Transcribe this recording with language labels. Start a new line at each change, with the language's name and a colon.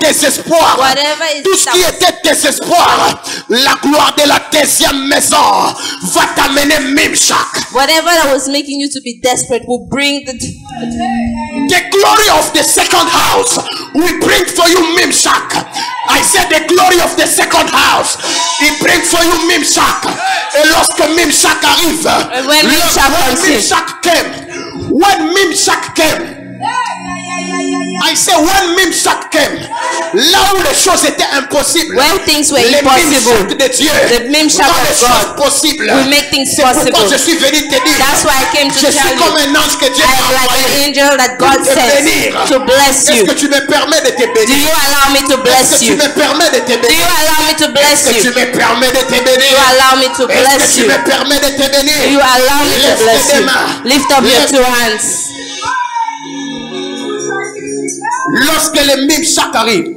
French: désespoir, tout ce qui était désespoir, la gloire de la deuxième maison va t'amener Mimshak.
English: Whatever that was making you to be desperate will bring the The glory of the second house will bring for you Mimshak. I said the glory of the second house will bring for you Mimshak.
French: Et lorsque Mimshak arrive,
English: when Mimshak, Mimshak came, when Mimshak came, I said when Mimshak came,
French: là où les choses étaient impossibles,
English: when things were les impossible,
French: Mimshak de Dieu,
English: the Mimshak of God
French: possible,
English: will make things
French: c'est
English: possible.
French: Pourquoi je suis venu te dire,
English: that's why I came to
French: je
English: tell
French: suis comme un ange que Dieu
English: I am like an angel that God sent to bless you.
French: Est-ce que tu me permets de te bénir?
English: Do you allow me to bless
French: Est-ce que tu me permets de te bénir?
English: Do you allow me to bless
French: Est-ce
English: you?
French: Que tu me permets de te bénir?
English: Do you allow me to bless
French: Est-ce que tu me permets de te bénir?
English: Do you allow me to bless you? Lift up your two hands.
French: Lorsque le Mimshak arrive,